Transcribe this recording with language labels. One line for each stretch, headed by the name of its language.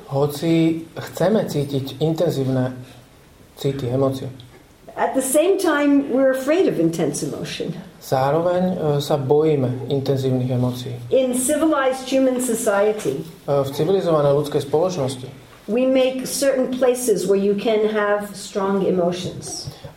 Slovak: Hoci chceme cítiť intenzívne city emócie.
English: At the same time we're afraid of intense emotion.
Slovak: Zároveň sa bojíme intenzívnych emócií.
English: In civilized human society.
Slovak: V civilizovanej ľudskej spoločnosti.
English: We make certain places where you can have strong emotions.